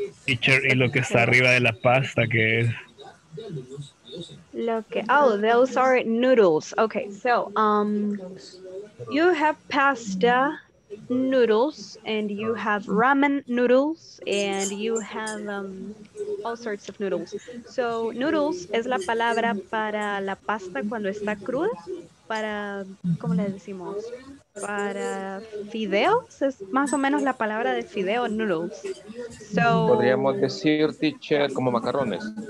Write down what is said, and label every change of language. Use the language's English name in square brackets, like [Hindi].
[Spanish] Teacher, ¿y lo que está arriba de la pasta qué es? Lo que, [English] oh, those are noodles. Okay, so you have pasta noodles and you have ramen noodles and you have all sorts of noodles. [Spanish] So noodles es la palabra para la pasta cuando está cruda, para, ¿cómo le decimos? Para fideos, es más o menos la palabra de fideo, noodles. So, podríamos decir, teacher, como macarrones.